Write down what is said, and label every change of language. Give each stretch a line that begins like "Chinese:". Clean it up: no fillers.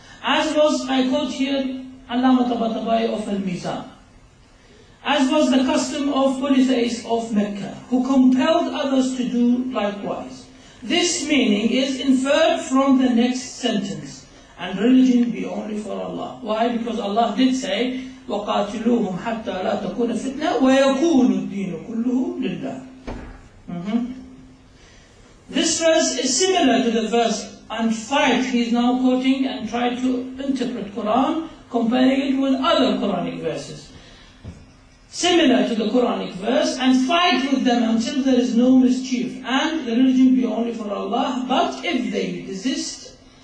English: As was, I quote here, Allama Tabatabai of Al-Mizan. As was the custom of polytheists of Mecca, who compelled others to do likewise. This meaning is inferred from the next sentence, and religion be only for Allah. Why? Because Allah did say,
Arabic: وَقَاتِلُوهُمْ حَتَّى لَا تَكُونَ فِتْنَةً وَيَكُونُ الدِّينُ كُلُّهُ لِلَّهِ.
English: This verse is similar to the verse and fight he is now quoting and trying to interpret Quran, comparing it with other Quranic verses. Similar to the Quranic verse, and fight with them until there is no mischief, and the religion be only for Allah, but if they desist